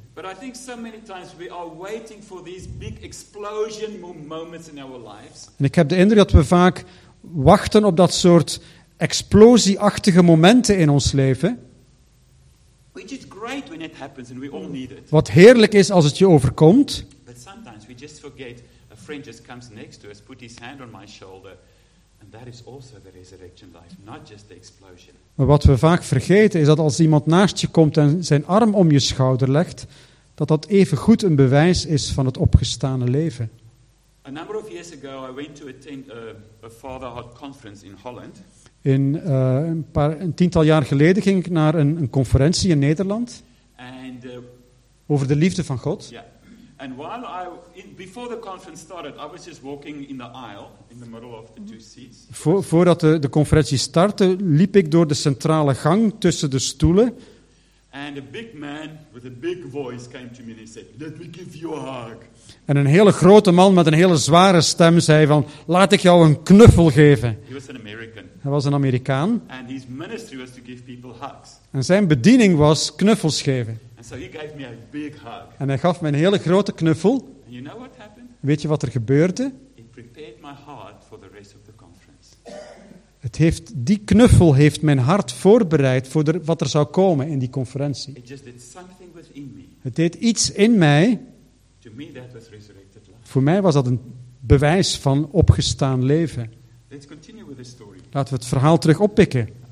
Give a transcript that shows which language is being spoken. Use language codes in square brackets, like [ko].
[en] But I think so many times we are waiting for these big explosion moments in our lives. [nl] En ik heb de indruk dat we vaak wachten op dat soort explosieachtige momenten in ons leven. [en] Which is great when it happens and we all need it. [nl] Wat heerlijk is als het je overkomt. [en] But sometimes we just forget a friend just comes next to us, put his hand on my shoulder, and that is also the resurrection life, not just the explosion. [nl] Maar wat we vaak vergeten is dat als iemand naast je komt en zijn arm om je schouder legt, dat even goed een bewijs is van het opgestane leven. [en] A number of years ago I went to attend a Father Heart conference in Holland. [nl] Een tiental jaar geleden ging ik naar een conferentie in Nederland over de liefde van God. [en] Yeah. And while before the conference started, I was just walking in the aisle in the middle of the two seats. [nl] Voordat de conferentie startte, liep ik door de centrale gang tussen de stoelen. [en] And a big man with a big voice came to me and he said, "Let me give you a hug." [nl] En een hele grote man met een hele zware stem zei van, "Laat ik jou een knuffel geven." [en] He was an American. [nl] Hij was een Amerikaan. [en] And his ministry was to give people hugs. [nl] En zijn bediening was knuffels geven. [en] And so he gave me a big hug. [nl] En hij gaf me een hele grote knuffel. [en] And you know what happened? [nl] Weet je wat er gebeurde? [en] It prepared my heart for the rest of the conference. [nl] Die knuffel heeft mijn hart voorbereid voor wat er zou komen in die conferentie. [en] It just did something within me. [nl] Het deed iets in mij. [en] To me that was resurrected life. [nl] Voor mij was dat een bewijs van opgestaan leven. [en] Let's continue with the story. [nl] Laten we het verhaal terug oppikken.